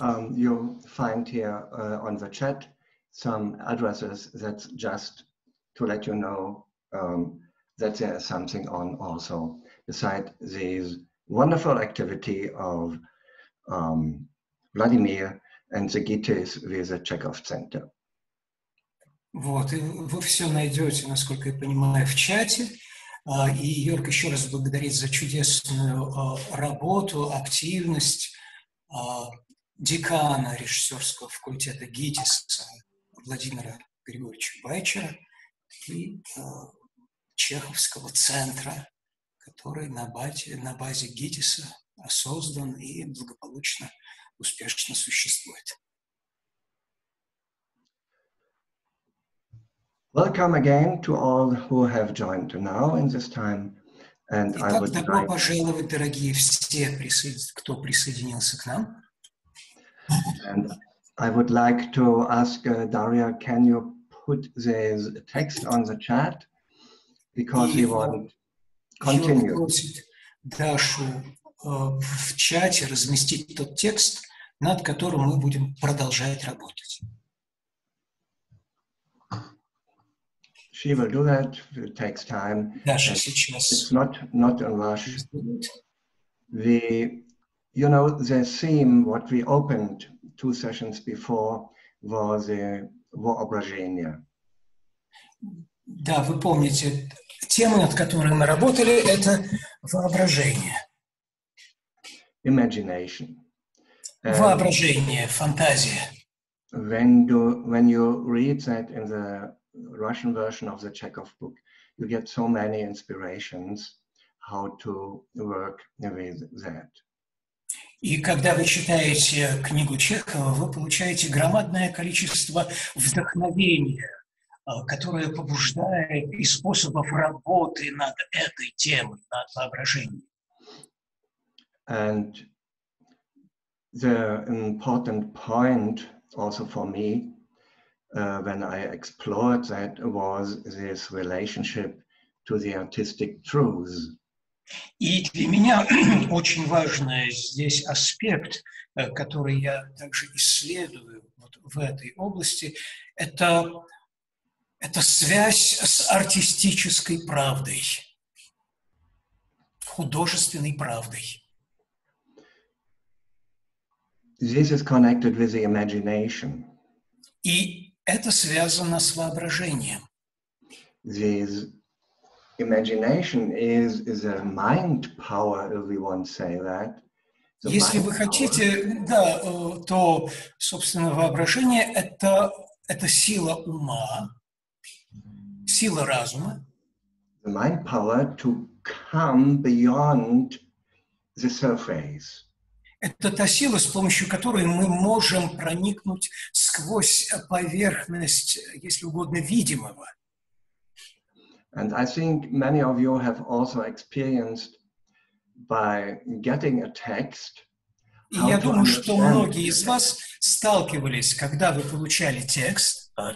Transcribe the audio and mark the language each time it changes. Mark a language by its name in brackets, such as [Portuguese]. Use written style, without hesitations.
[English] You'll find here on the chat some addresses that's just to let you know that there's something on also besides this wonderful activity of Vladimir and the Gittes with the Chekhov Center. [Russian] Вот, и вы все найдете, насколько я понимаю, в чате. И Йорк еще раз благодарит за чудесную работу, активность декана режиссерского факультета ГИТИС Владимира Григорьевича Байчера и Чеховского центра, который на базе ГИТИСа создан и благополучно, успешно существует. [English] Welcome again to all who have joined now in this time, and I would like. [Russian] Добро пожаловать, дорогие все, кто присоединился к нам. [English] And I would like to ask Daria, can you put this text on the chat, because we want continue. [Russian] Я просит Дашу в чате разместить тот текст, над которым мы будем продолжать работать. [English] She will do that. It takes time. [Russian] Даша, сейчас. [English] It's not in rush. We, you know, the theme, what we opened two sessions before, was the воображения. [Russian] Да, вы помните, тема, над которой мы работали, это воображение. [English] Imagination. [Russian] Воображение, фантазия. [English] When you read that in the Russian version of the Chekhov book, you get so many inspirations how to work with that. [Russian] И когда вы читаете книгу Чехова, вы получаете громадное количество вдохновения, которое побуждает и способов работы над этой темой, над воображением. [English] And the important point also for me when I explored that was this relationship to the artistic truths. [Russian] И для меня очень важный здесь аспект, который я также исследую вот в этой области, это связь с артистической правдой, художественной правдой. [English] This is connected with the imagination. [Russian] И это связано с воображением. [English] This imagination is a mind power, if we want to say that. [Russian] The Если вы хотите, power. Да, то, собственно, воображение – это сила ума, сила разума. [English] The mind power to come beyond the surface. [Russian] Это та сила, с помощью которой мы можем проникнуть сквозь поверхность, если угодно, видимого. [English] And I think many of you have also experienced by getting a text. [Russian] И я думаю, что многие из вас сталкивались, когда вы получали текст.